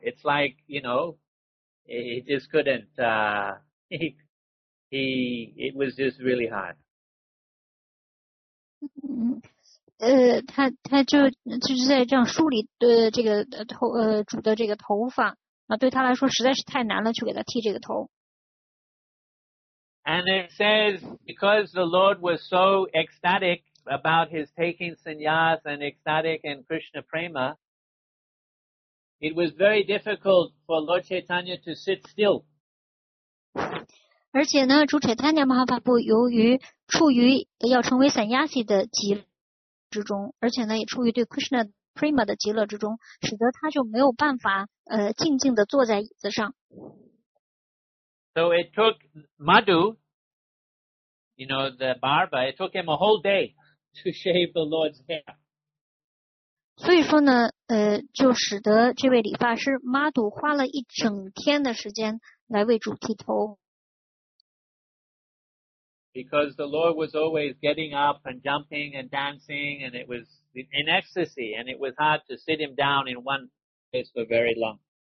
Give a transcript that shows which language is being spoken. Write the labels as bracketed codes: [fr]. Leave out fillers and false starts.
[en] It's like, you know, he just couldn't, it was just really hard. [zh] 他就在这样梳理这个头主的这个头发，那对他来说实在是太难了，去给他剃这个头。 [en] And it says, because the Lord was so ecstatic,about his taking sannyas and ecstatic and Krishna prema, it was very difficult for Lord Chaitanya to sit still. [zh] 而且呢，主 Chaitanya Mahaprabhu 由于处于要成为 sannyasi 的极乐之中，而且呢，也处于对 Krishna prema 的极乐之中，使得他就没有办法静静地坐在椅子上。 [en] So it took Madhu, you know, the barber, it took him a whole day. To shave the Lord's hair. [zh] 所以说呢，就使得这位理发师 Madhu 花了一整天的时间来为主剃头。 [en] Because the Lord was always getting up and jumping and dancing, and it was in ecstasy, and it was hard to sit him down in one place for very long.